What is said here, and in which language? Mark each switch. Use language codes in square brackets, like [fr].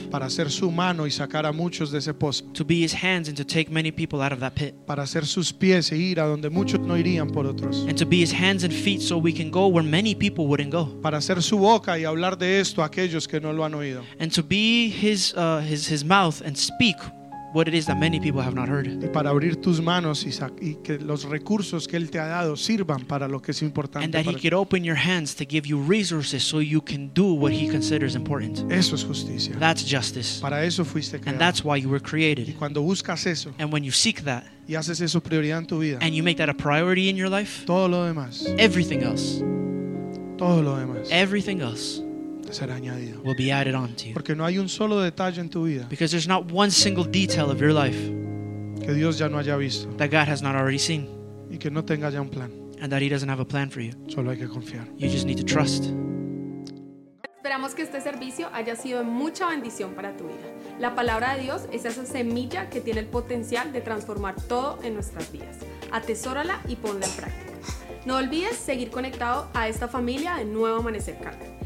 [es] Para ser su mano y sacar a muchos de ese pozo. [en] To be his hands and to take many people out of that pit. [es] Para ser sus pies e ir a donde muchos no irían por otros. [en] And to be his hands and feet so we can go where many people wouldn't go. [es] Para ser su boca y hablar de esto a aquellos que no lo han oído. [en] And to be his mouth and speak what it is that many people have not heard. [es] Y para abrir tus manos y que los recursos que él te ha dado sirvan para lo que es importante. [en] And that he could open your hands to give you resources so you can do what he considers important. [es] Eso es justicia. [en] That's justice. [es] Para eso fuiste creado. [en] And that's why you were created. [es] Y cuando buscas eso, [en] and when you seek that, [es] y haces eso prioridad en tu vida, [en] and you make that a priority in your life, [es] todo lo demás, [en] everything else, [es] todo lo demás, [en] everything else, [es] será añadido. [en] Will be added on to you. [es] Porque no hay un solo detalle en tu vida. [en] Because there's not one single detail of your life [es] que Dios ya no haya visto. [en] That God has not already seen. [es] Y que no tenga ya un plan. [en] And that he doesn't have a plan for you. [es] Solo hay que confiar. [en] You just need to trust. [es] Esperamos que este servicio haya sido de mucha bendición para tu vida. La palabra de Dios es esa semilla que tiene el potencial de transformar todo en nuestras vidas. Atesórala y ponla en práctica. No olvides seguir conectado a esta familia de Nuevo Amanecer Carmen.